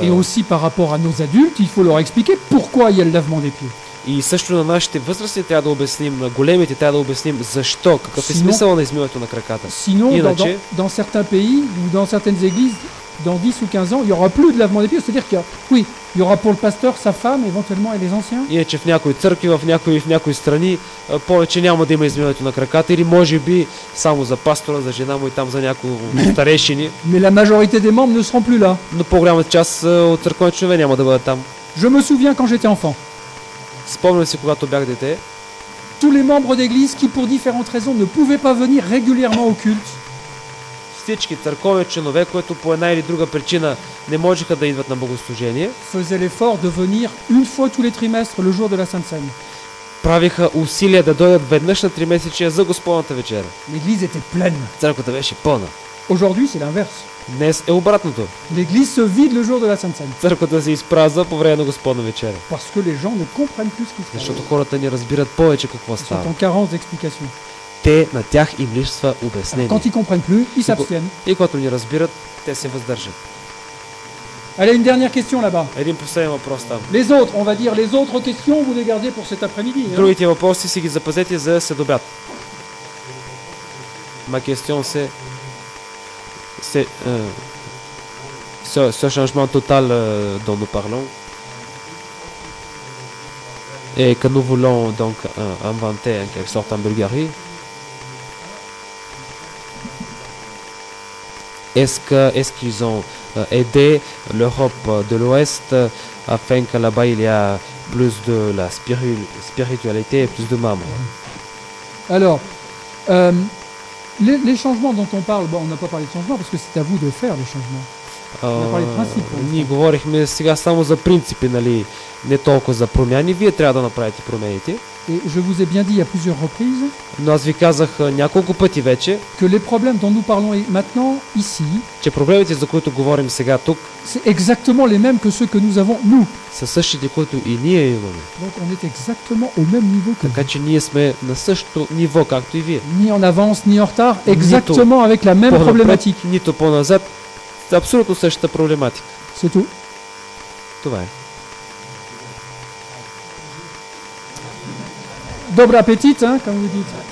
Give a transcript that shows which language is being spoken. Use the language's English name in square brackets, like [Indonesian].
[French] Et aussi par rapport à nos adultes, il faut leur expliquer pourquoi il y a le lavement des pieds. [Bulgarian] И също на нашите възрасти трябва да обясним, на големите трябва да обясним защо, какъв е смисъл на измиването на краката. [French] Sinon, иначе, dans certains pays ou dans certaines églises, dans 10 ou 15 ans, il y aura plus de lavement des pieds, c'est-à-dire qu'il y a, oui, il y aura pour le pasteur, sa femme éventuellement et les anciens. [Bulgarian] Иначе в някои църкви, в някои страни повече няма да има измиването на краката или може би само за пастора, за жена му и там за някои старейшини. [French] Mais la majorité des membres ne seront plus là. [Bulgarian] Но по-голямата част от църковните членове няма да бъдат там. [French] Je me souviens quand j'étais enfant. [Bulgarian] Спомням си, когато бях дете. [French] Tous les membres d'église qui pour différentes raisons ne pouvaient pas venir régulièrement au culte. [Bulgarian] Всички църковни членове, които по една или друга причина не можеха да идват на богослужение, [French] faisaient l'effort de venir une fois tous les trimestres le jour de la Sainte Cène. [Bulgarian] Правиха усилия да дойдат веднъж на тримесечие за Господната вечер. [French] L'église était pleine. [Bulgarian] Църквата беше пълна. [French] Aujourd'hui, c'est l'inverse. [Bulgarian] Днес е обратното. [French] L'église se vide le jour de la Sainte Cène. [Bulgarian] Църквата се изпразва по време на Господна вечер. [French] Parce que les gens ne comprennent plus ce qui se passe. [Bulgarian] Защото хората не разбират повече какво става. [French] Sont en carence d'explication. [Bulgarian] Те на тях им липсва обяснение. [French] Alors, quand ils comprennent plus, ils s'abstiennent. [Bulgarian] И когато не разбират, те се въздържат. [French] Allez, une dernière question là-bas. [Bulgarian] Един последен въпрос там. [French] Les autres, on va dire les autres questions, vous les gardez pour cet après-midi. [Bulgarian] Другите въпроси си ги запазете за следобед. [French] Ma question c'est ce changement total dont nous parlons et que nous voulons donc inventer en quelque sorte en Bulgarie, est-ce qu'ils ont aidé l'Europe de l'Ouest afin que là-bas il y a plus de la spiritualité et plus de membres? Alors les changements dont on parle, bon, on n'a pas parlé de changements parce que c'est à vous de faire les changements. On a parlé de principes. [Bulgarian] Ние говорихме сега само за принципи, нали, не толкова за промени. Вие трябва да направите промените. [French] Et je vous ai bien dit à plusieurs reprises. [Bulgarian] Но аз ви казах няколко пъти вече. [French] Que les problèmes dont nous parlons maintenant ici. [Bulgarian] Че проблемите, за които говорим сега тук. [French] C'est exactement les mêmes que ceux que nous avons nous. [Bulgarian] Са същите, които и ние имаме. [French] Donc on est exactement au même niveau que. [Bulgarian] Така че ние сме на същото ниво, както и вие. [French] Ni en avance ни en retard, exactement avec la même problématique. [Bulgarian] Нито по-назад. Абсолютно същата проблематика. [French] C'est tout. [Bulgarian] Това е. Добър апетит, как ви дите.